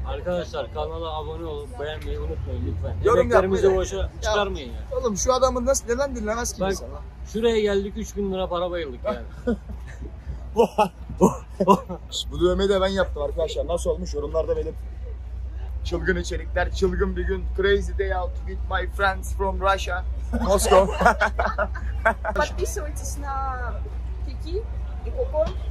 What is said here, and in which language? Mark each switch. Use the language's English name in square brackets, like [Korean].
[Turkish] Arkadaşlar kanala abone olup beğenmeyi unutmayın lütfen. Yorum emeklerimizi boşa çıkarmayın ya. Oğlum şu adamın nasıl neden dinlemez ki insanı? Şuraya geldik 3000 lira para bayıldık yani. Bu dövmeyi de ben yaptım arkadaşlar. Nasıl olmuş yorumlarda benim. Çılgın içerikler, çılgın bir gün. [English] Crazy day out with my friends from Russia. Moscow. [Russian] Подписывайтесь на Kiki и Coco.